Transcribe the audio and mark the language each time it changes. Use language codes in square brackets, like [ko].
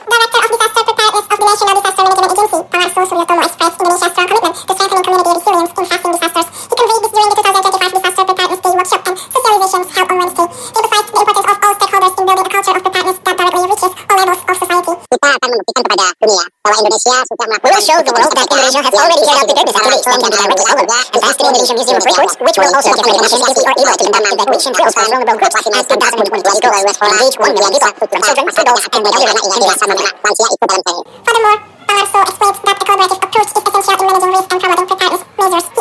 [en] Director of Disaster Preparedness of the National Disaster Management Agency, Pawar Suryotomo, expressed Indonesia's strong commitment to strengthening community resilience in facing disasters. He conveyed this during the 2025 Disaster Preparedness Day workshop and socializations held on Wednesday. He emphasized the importance of all stakeholders in building a culture of preparedness that directly reaches all levels of society. [id] Kita akan membuktikan kepada dunia bahwa Indonesia sudah melakukan. [en] We will show the world that Indonesia has already carried out the disaster action plan directly and passed the Indonesia Museum of Records, which will also give the nation the ability to conduct evacuation drills for vulnerable groups as 2020 to engage 1 million people from children, adults, and the elderly in disaster management. Furthermore, Pawar Suryotomo explains that a collaborative approach is essential in managing risk and promoting preparedness measures.